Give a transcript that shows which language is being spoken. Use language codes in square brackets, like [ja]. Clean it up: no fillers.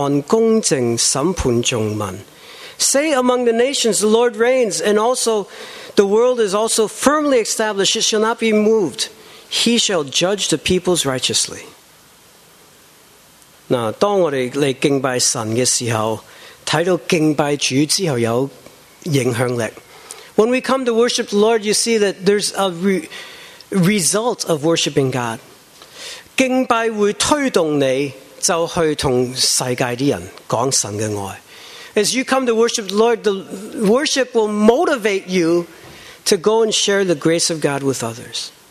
[zh] 人在列邦中要说耶和华作王，世界就坚定，不得摇动。他要按公正审判众民。 [en] Say among the nations, the Lord reigns, and also the world is also firmly established. It shall not be moved. He shall judge the peoples righteously. [zh] 那当我们来敬拜神的时候，睇到敬拜主之后有影响力。 [en] When we come to worship the Lord, you see that there's a result of worshiping God. [zh] 敬拜会推动你就去同世界的人讲神的爱。 [en] As you come to worship the Lord, the worship will motivate you to go and share the grace of God with others.